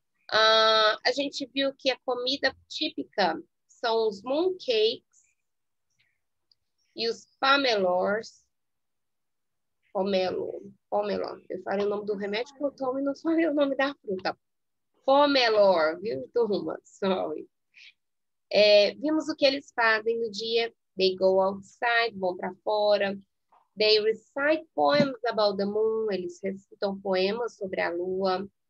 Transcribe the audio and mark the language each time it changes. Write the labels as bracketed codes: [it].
[pt] A gente viu que a comida típica são os moon cakes e os pomelos. Pomelo. Eu falei o nome do remédio que eu tomo e não falei o nome da fruta. Pomelo, viu, turma? Sorry. Vimos o que eles fazem no dia. [en] They go outside, [pt] vão para fora. [en] They recite poems about the moon. [pt] Eles recitam poemas sobre a lua.